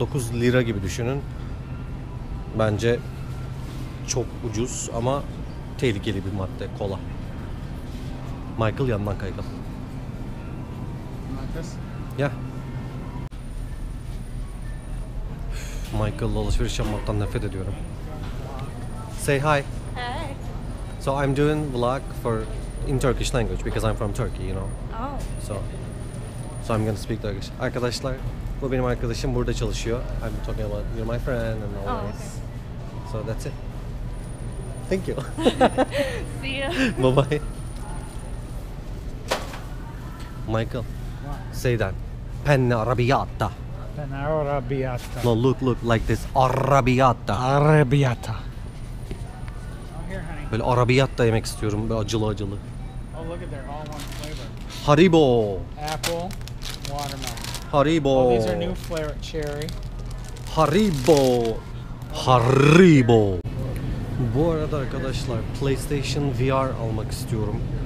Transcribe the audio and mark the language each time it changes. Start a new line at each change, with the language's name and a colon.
Turkish: 9 lira gibi düşünün. Bence çok ucuz ama tehlikeli bir madde kola. Michael yandan kaygılı. Marcus? Ya. Michael'la alışveriş yapmaktan nefret ediyorum.
English: Say hi. Hi. So I'm doing vlog for in Turkish language because I'm from Turkey, you know. Oh. So I'm gonna speak Turkish.
Turkish: Arkadaşlar, bu benim arkadaşım burada çalışıyor.
English: I'm talking about you're my friend and all this. So that's it. Thank you. See you. Bye bye. Michael, what? Say that. Penne arrabbiata. Penne arrabbiata. No, look like this. Arrabbiata. Arrabbiata.
Turkish: Böyle arabiyatta yemek istiyorum, böyle acılı acılı.
English: Oh, look at there, all one flavor. Haribo. Apple, watermelon. Haribo. Oh, these are new flavor, cherry. Haribo. Haribo.
Turkish: Bu arada arkadaşlar, PlayStation VR almak istiyorum.